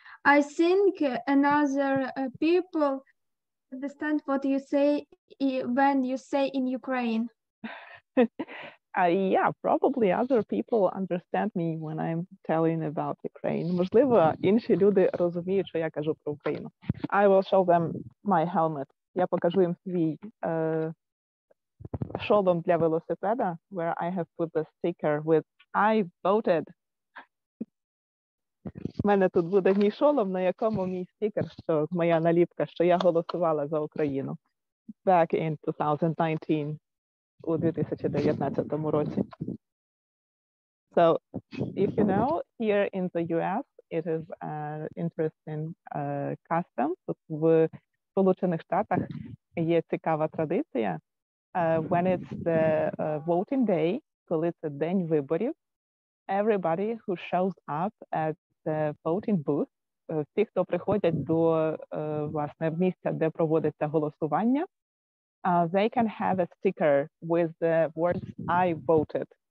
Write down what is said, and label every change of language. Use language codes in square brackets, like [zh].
[en] I think another people understand what you say when you say in Ukraine. Yeah, probably other people understand me when I'm telling about Ukraine. [uk] Можливо, інші люди розуміють, що я кажу про Україну. [en] I will show them my helmet. [uk] Я покажу їм свій шолом для велосипеда, [en] where I have put the sticker with I voted. [uk] У мене тут буде мій шолом, на якому мій стікер, що моя наліпка, що я голосувала за Україну [en] back in 2019, [uk] у 2019 році. [en] So, if you know, here in the US, it is an interesting custom. [uk] Тут в Сполучених Штатах є цікава традиція. [en] When it's the voting day, [uk] коли це день виборів, [en] everybody who shows up at the voting booth, [uk] всі, хто приходять до, власне, місця, де проводиться голосування, [en] they can have a sticker with the words I voted.